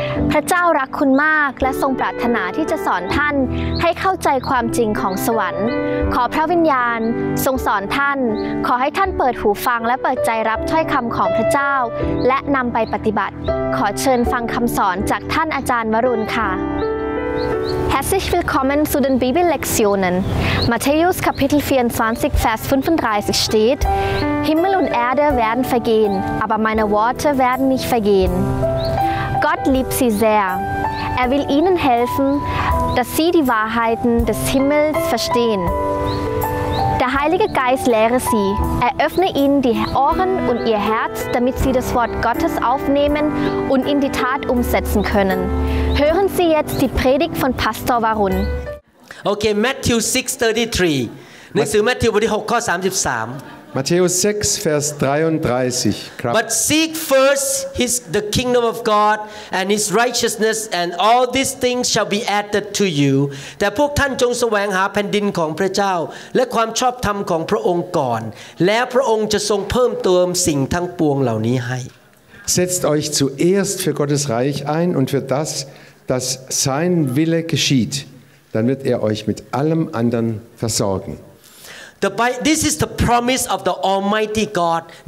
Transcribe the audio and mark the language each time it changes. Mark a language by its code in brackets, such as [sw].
[th] พระเจ้ารักคุณมากและทรงปรารถนาที่จะสอนท่านให้เข้าใจความจริงของสวรรค์ขอพระวิญญาณทรงสอนท่านขอให้ท่านเปิดหูฟังและเปิดใจรับถ้อยคำของพระเจ้าและนำไปปฏิบัติขอเชิญฟังคำสอนจากท่านอาจารย์วรุณค่ะ [de] Herzlich willkommen zu den Bibellektionen. Matthäus Kapitel 24, Vers 35 steht: Himmel und Erde werden vergehen, aber meine Worte werden nicht vergehen. Gott liebt sie sehr. Er will ihnen helfen, dass sie die Wahrheiten des Himmels verstehen. Der Heilige Geist lehre sie. Eröffne ihnen die Ohren und ihr Herz, damit sie das Wort Gottes aufnehmen und in die Tat umsetzen können. Hören Sie jetzt die Predigt von Pastor Varun. [th] Okay, Matthew 6:33. หนังสือมัทธิวบทที่6ข้อ33. [en] Matthew 6 Vers 33. ครับ But seek first his the kingdom of God and his righteousness and all these things shall be added to you. [th] แต่พวกท่านจงแสวงหาแผ่นดินของพระเจ้าและความชอบธรรมของพระองค์ก่อนแล้วพระองค์จะทรงเพิ่มเติมสิ่งทั้งปวงเหล่านี้ให้ [de] Setzt euch zuerst für Gottes Reich ein und für das, dass sein Wille geschieht. Dann wird er euch mit allem anderen versorgen. [en] This is the promise of the Almighty God.